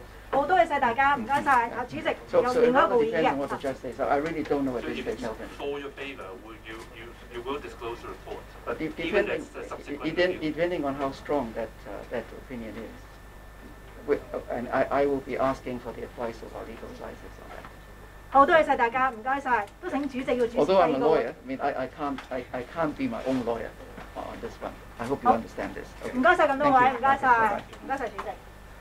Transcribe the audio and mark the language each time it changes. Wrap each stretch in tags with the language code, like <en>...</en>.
<en>So I really don't know what this is. For your favor, you will disclose the report. But depending on how strong that opinion is. and I will be asking for the advice of our legal advisors on that.</en> <yue>好，多謝大家，唔該曬，都請主席要主持。</yue> <en>Although I'm a lawyer, I mean I can't be my own lawyer on this one. I hope you understand this.</en> <yue>唔該曬咁多位，唔該曬，唔該曬主席。</yue>